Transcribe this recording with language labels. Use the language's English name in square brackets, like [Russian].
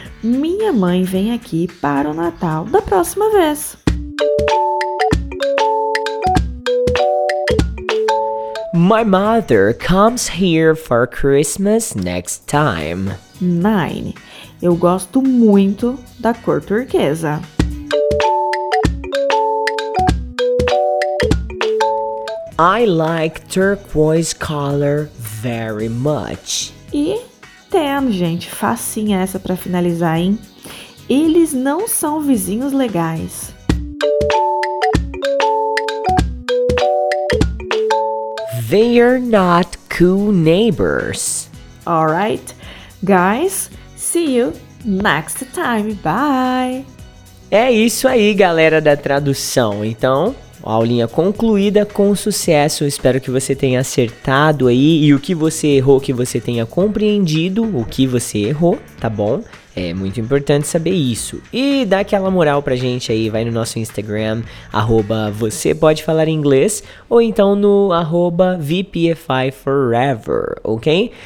[Portuguese] Minha mãe vem aqui para o Natal da próxima vez. [English] My mother comes here for Christmas next time. 9. [Portuguese] Eu gosto muito da cor turquesa. [English] I like turquoise color very much. [Portuguese] E 10, gente, facinha essa pra finalizar, hein? Eles não são vizinhos legais. [English] They are not cool neighbors. Alright, guys, see you next time. Bye! [Portuguese] É isso aí, galera da tradução, então... Aulinha concluída com sucesso, espero que você tenha acertado aí e o que você errou, que você tenha compreendido o que você errou, tá bom? É muito importante saber isso. E dá aquela moral pra gente aí, vai no nosso Instagram, @vocêpodefalaringlês, ou então no @VPFIForever, ok?